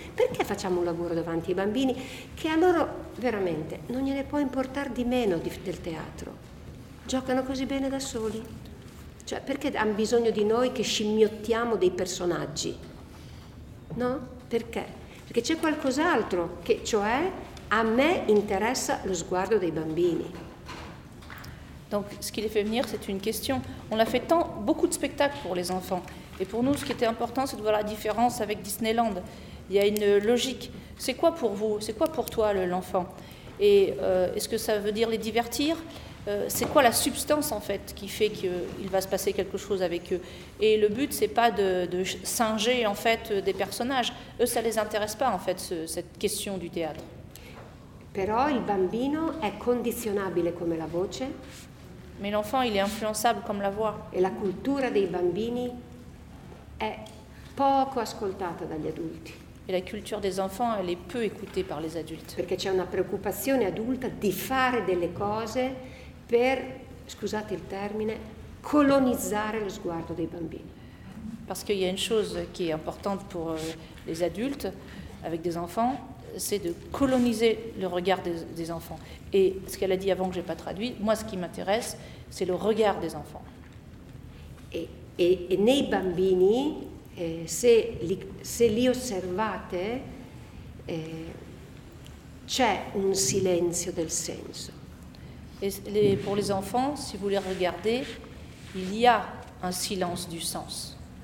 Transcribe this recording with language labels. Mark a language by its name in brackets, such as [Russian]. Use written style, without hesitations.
[Italian] Perché facciamo un lavoro davanti ai bambini che a loro veramente non gliene può importare di meno del teatro? Giocano così bene da soli? Cioè, perché hanno bisogno di noi che scimmiottiamo dei personaggi? No? Perché? Perché c'è qualcos'altro che, cioè, a me interessa lo sguardo dei bambini. [French] Donc ce qui les fait venir, c'est une question. On a fait tant, beaucoup de spectacles pour les enfants. Et pour nous, ce qui était important, c'est de voir la différence avec Disneyland. Il y a une logique. C'est quoi pour vous? C'est quoi pour toi, l'enfant? Et est-ce que ça veut dire les divertir? C'est quoi la substance, en fait, qui fait qu'il va se passer quelque chose avec eux? Et le but, c'est pas de singer, en fait, des personnages. Eux, ça les intéresse pas, en fait, cette question du théâtre. [Italian] Però il bambino è condizionabile come la voce. [French] Mais l'enfant, il est influençable comme la voix. [Italian] E la cultura dei bambini è poco ascoltata dagli adulti. [French] Et la culture des enfants, elle est peu écoutée par les adultes. [Italian] Perché c'è una preoccupazione adulta di fare delle cose per, scusate il termine, colonizzare lo sguardo dei bambini. [French] Parce qu'il y a une chose qui est importante pour les adultes avec des enfants, c'est de coloniser le regard des enfants. Et ce qu'elle a dit avant que je n'ai pas traduit, moi ce qui m'intéresse, c'est le regard des enfants. [Italian] E nei bambini, se li osservate, c'è un silenzio del senso. [French] Et pour les enfants, si vous les regardez, il y a un silence du sens.